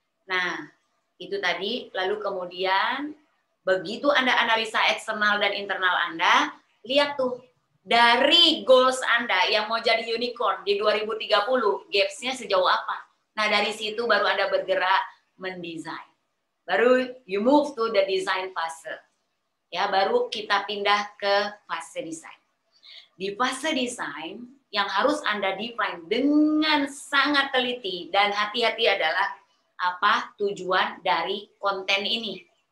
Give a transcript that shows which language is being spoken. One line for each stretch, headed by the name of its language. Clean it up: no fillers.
Indonesian: Nah, itu tadi. Lalu kemudian, begitu Anda analisa eksternal dan internal Anda, lihat tuh, dari goals Anda yang mau jadi unicorn di 2030, gaps-nya sejauh apa? Nah, dari situ baru Anda bergerak mendesain.
English: Baru you move to the design phase.
Indonesian: Ya, baru kita pindah ke fase design. Di fase design, yang harus Anda define dengan sangat teliti dan hati-hati adalah apa tujuan dari konten ini.